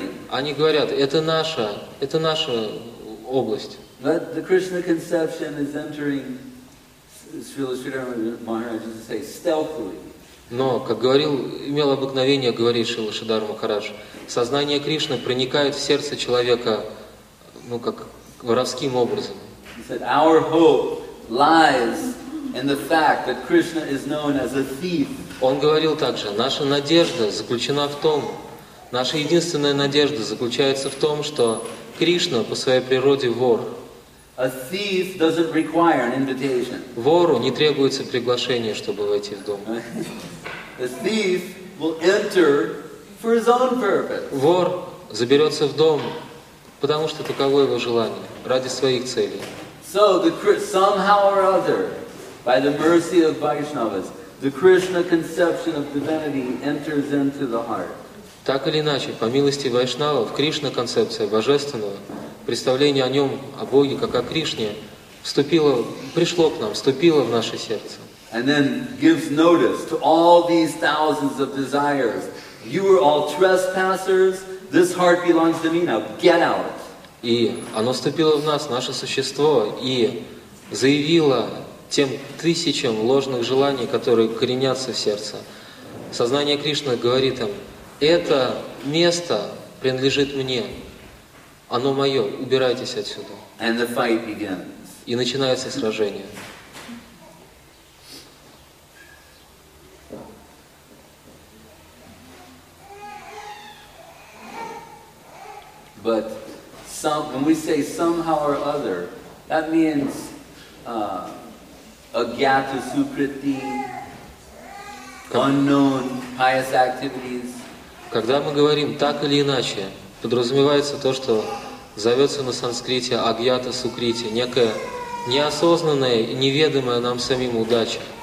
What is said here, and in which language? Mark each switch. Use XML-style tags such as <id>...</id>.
<ru>Они говорят, это наша область.</ru> <en>But the Krishna conception is entering, Srila Sridhara Maharaj used to say, stealthily.</en> <ru>Но, как говорил, имел обыкновение говорить Шрила Шридхара Махарадж, сознание Кришны проникает в сердце человека, ну, как воровским образом.</ru> <en>He said, our hope lies in the fact that Krishna is known as a thief.</en> <ru>Он говорил также, наша надежда заключена в том, наша единственная надежда заключается в том, что Кришна по своей природе вор.</ru> <en>A thief doesn't require an invitation.</en> <ru>Вору не требуется приглашение, чтобы войти в дом.</ru> <en>A thief will enter for his own purpose.</en> <ru>Вор заберется в дом, потому что таково его желание, ради своих целей.</ru> <en>So, somehow or other, by the mercy of Vaishnavas, the Krishna conception of divinity enters into the heart.</en> <ru>Так или иначе, по милости Вайшнавов, Кришна-концепция Божественного, представление о Нем, о Боге, как о Кришне, вступило, пришло к нам, вступило в наше сердце.</ru> <en>And then gives notice to all these thousands of desires. You are all trespassers. This heart belongs to me now. Get out.</en> <ru>И оно вступило в нас, наше существо, и заявило тем тысячам ложных желаний, которые коренятся в сердце. Сознание Кришны говорит им, это место принадлежит мне. Оно мое. Убирайтесь отсюда.</ru> <en>And the fight begins.</en> <ru>И начинается сражение.</ru> <en>But some, when we say somehow or other, that means agyata supriti, unknown pious activities.</en> <ru>Когда мы говорим «так или иначе», подразумевается то, что зовется на санскрите «агьята сукрити», некая неосознанная и неведомая нам самим удача.</ru>